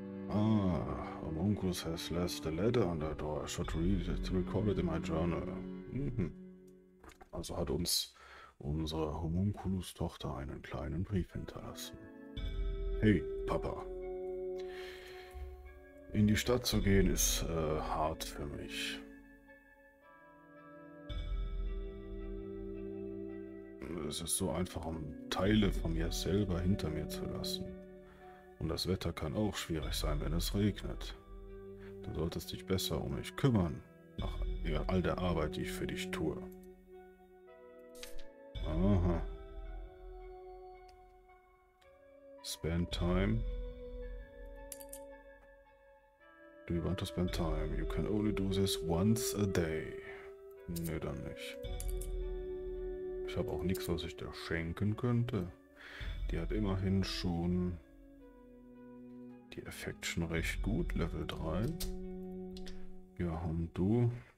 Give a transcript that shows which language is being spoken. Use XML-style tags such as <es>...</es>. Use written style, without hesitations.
<en>Ah, Homunculus has left the letter on the door. I should read it to record it in my journal. Mhm.</en> <de>Also hat uns unsere Homunculus-Tochter einen kleinen Brief hinterlassen. Hey, Papa. In die Stadt zu gehen ist hart für mich. Es ist so einfach, um Teile von mir selber hinter mir zu lassen. Und das Wetter kann auch schwierig sein, wenn es regnet. Du solltest dich besser um mich kümmern, nach all der Arbeit, die ich für dich tue. Aha.</de> <en>Spend time. Do you want to spend time? You can only do this once a day.</en> <de>Ne, dann nicht. Ich habe auch nichts, was ich dir schenken könnte. Die hat immerhin schon die Affection recht gut, Level 3. Ja, und du?</de>